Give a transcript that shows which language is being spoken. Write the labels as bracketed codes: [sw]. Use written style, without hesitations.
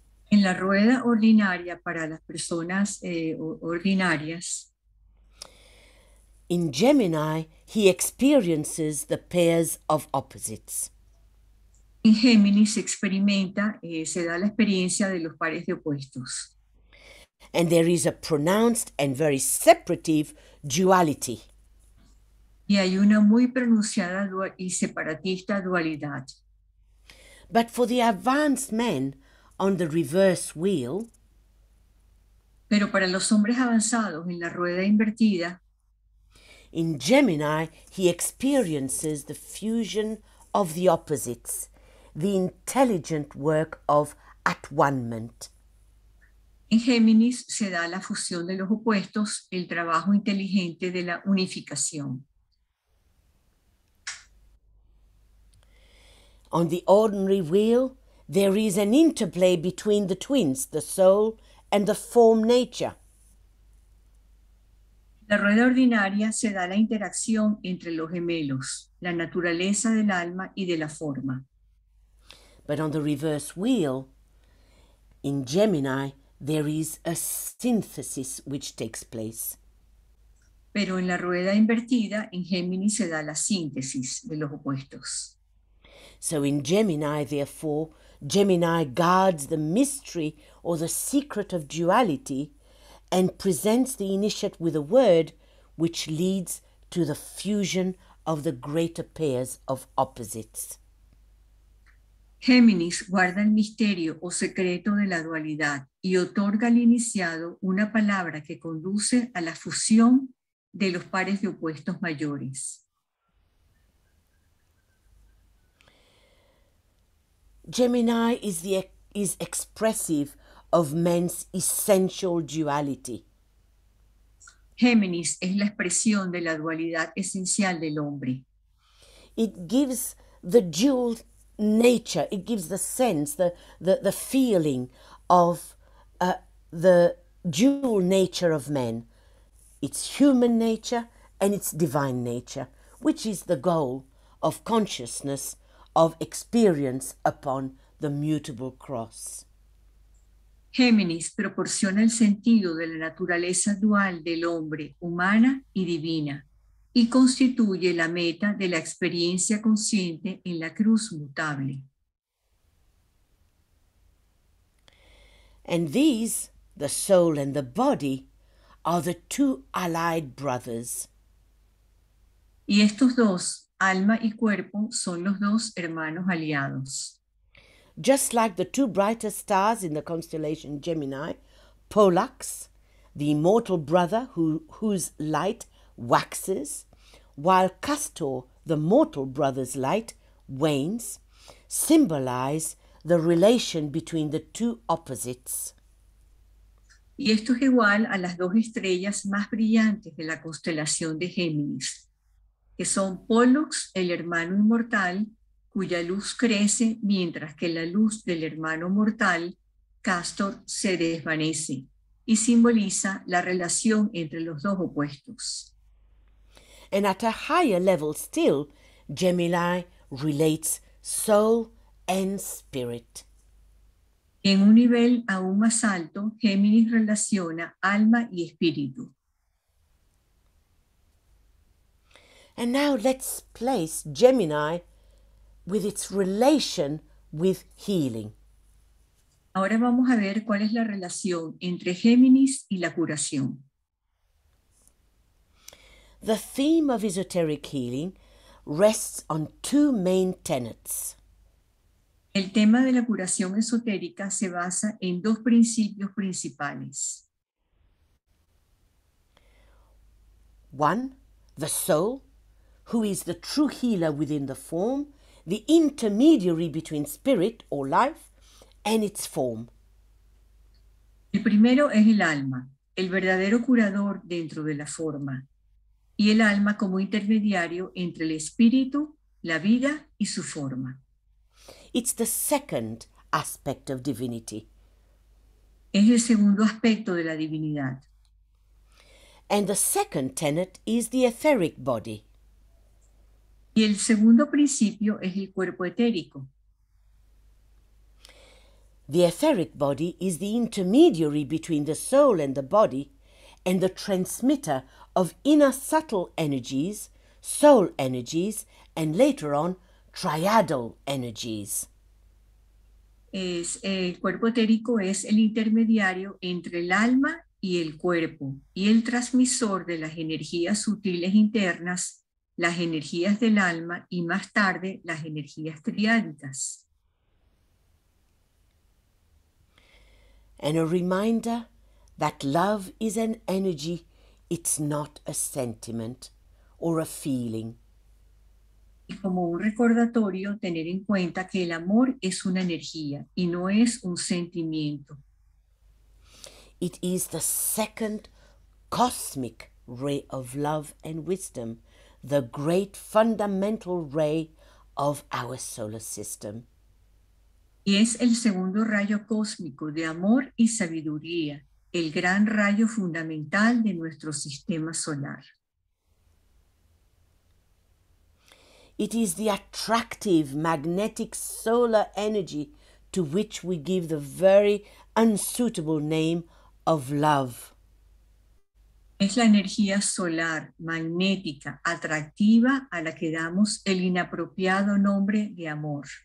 [es] En la rueda ordinaria para las personas ordinarias. [en] In Gemini, he experiences the pairs of opposites. [es] En Géminis experimenta, se da la experiencia de los pares de opuestos. [en] And there is a pronounced and very separative duality. [es] Y hay una muy pronunciada y separatista dualidad. [en] But for the advanced men on the reverse wheel, [es] pero para los hombres avanzados en la rueda invertida, [en] in Gemini he experiences the fusion of the opposites, the intelligent work of at-one-ment. [es] En Géminis se da la fusión de los opuestos, el trabajo inteligente de la unificación. [en] On the ordinary wheel, there is an interplay between the twins, the soul and the form nature. [es] La rueda ordinaria se da la interacción entre los gemelos, la naturaleza del alma y de la forma. [en] But on the reverse wheel, in Gemini, there is a synthesis which takes place. [es] Pero en la rueda invertida, en Gemini, se da la síntesis de los opuestos. [en] So in Gemini, therefore, Gemini guards the mystery or the secret of duality and presents the initiate with a word which leads to the fusion of the greater pairs of opposites. [es] Géminis guarda el misterio o secreto de la dualidad y otorga al iniciado una palabra que conduce a la fusión de los pares de opuestos mayores. [en] Gemini is expressive of men's essential duality. [es] Géminis es la expresión de la dualidad esencial del hombre. [en] It gives the dual nature, it gives the sense, the feeling of the dual nature of men. It's human nature and it's divine nature, which is the goal of consciousness of experience upon the mutable cross. [es] Géminis proporciona el sentido de la naturaleza dual del hombre, humana y divina, y constituye la meta de la experiencia consciente en la cruz mutable. [en] And these, the soul and the body, are the two allied brothers. [es] Y estos dos, alma y cuerpo, son los dos hermanos aliados. [en] Just like the two brightest stars in the constellation Gemini, Pollux, the immortal brother whose light waxes, while Castor, the mortal brother's light, wanes, symbolize the relation between the two opposites. [es] Y esto es igual a las dos estrellas más brillantes de la constelación de Géminis, que son Pollux, el hermano inmortal, cuya luz crece mientras que la luz del hermano mortal, Castor, se desvanece y simboliza la relación entre los dos opuestos. [en] And at a higher level still, Gemini relates soul and spirit. [es] En un nivel aún más alto, Géminis relaciona alma y espíritu. [en] And now let's place Gemini with its relation with healing. [es] Ahora vamos a ver cuál es la relación entre Géminis y la curación. [en] The theme of esoteric healing rests on two main tenets. [es] El tema de la curación esotérica se basa en dos principios principales. [en] One, the soul, who is the true healer within the form, the intermediary between spirit or life and its form. [es] El primero es el alma, el verdadero curador dentro de la forma, y el alma como intermediario entre el espíritu, la vida y su forma. [en] It's the second aspect of divinity. [es] Es el segundo aspecto de la divinidad. [en] And the second tenet is the etheric body. [es] Y el segundo principio es el cuerpo etérico. [en] The etheric body is the intermediary between the soul and the body and the transmitter of inner subtle energies, soul energies, and later on, triadal energies. [es] Es el cuerpo etérico es el intermediario entre el alma y el cuerpo y el transmisor de las energías sutiles internas, las energías del alma y más tarde las energías triádicas. [en] And a reminder that love is an energy, it's not a sentiment or a feeling. [es] Y como un recordatorio, tener en cuenta que el amor es una energía y no es un sentimiento. [en] It is the second cosmic ray of love and wisdom, the great fundamental ray of our solar system. [es] Y es el segundo rayo cósmico de amor y sabiduría, el gran rayo fundamental de nuestro sistema solar. [en] It is the attractive magnetic solar energy to which we give the very unsuitable name of love. [es] Es la energía solar magnética atractiva a la que damos el inapropiado nombre de amor.